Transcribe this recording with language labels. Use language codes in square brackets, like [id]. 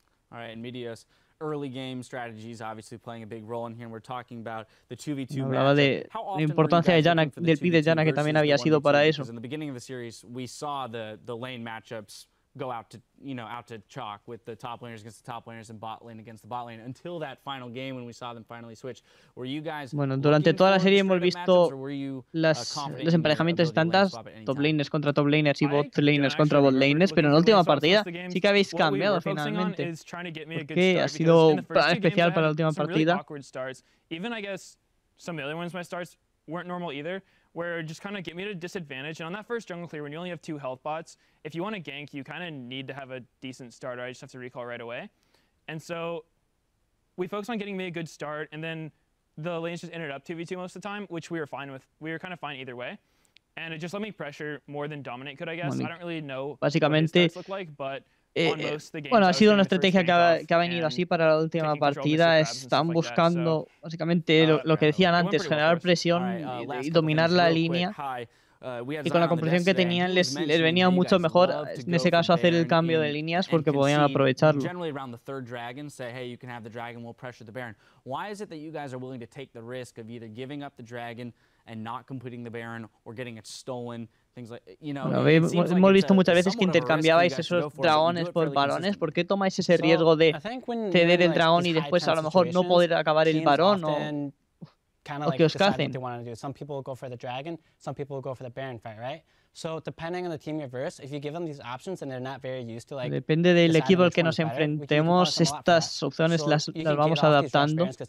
[en] Alright, Meteos, early game strategies obviously playing a big role in here, and we're talking about the 2v2 match. [es] Hablaba de la importancia de Janna, del pick de Janna que también había sido para eso. [en] In the beginning of the series, we saw the lane matchups go out to, you know, out to chalk with the top laners against the top laners and bot lane against the bot lane until that final game when we saw them finally switch. Were you guys, [es] bueno, durante toda la serie hemos visto los emparejamientos estándar, top laners contra top laners y bot laners contra bot laners, pero en la última partida sí que habéis cambiado finalmente. ¿Qué ha sido especial para la última partida? [en] Even I guess some of the other ones, my starts weren't normal either, where it just kind of get me at a disadvantage. And on that first jungle clear, when you only have two health bots, if you want to gank, you kind of need to have a decent starter. I just have to recall right away. And so we focused on getting me a good start, and then the lanes just ended up 2v2 most of the time, which we were fine with. We were kind of fine either way. And it just let me pressure more than dominate could, I guess. Bueno, I don't really know what his stats look like, but on most of the games, [es] bueno, ha sido una estrategia que ha venido así para la última partida. Están buscando, básicamente, lo que decían antes, generar presión y dominar la línea. Y con la compresión que tenían, les venía mucho mejor, en ese caso, hacer el cambio de líneas porque podían aprovecharlo. [en] Generally around the third dragon, say, hey, you can have the dragon, we'll pressure the baron. Why is it that you guys are willing to take the risk of either giving up the dragon and not completing the baron or getting it stolen? [es] Hemos visto muchas veces que intercambiabais esos dragones por varones. ¿Por qué tomáis ese riesgo de ceder el dragón y después a lo mejor no poder acabar el varón o que os cacen? [en] Some people go for the dragon, some people go for the baron fight, right? So depending on the team you verse, if you give them these options and they're not very used to like, [es] depende del equipo al que nos enfrentemos, estas opciones las vamos adaptando.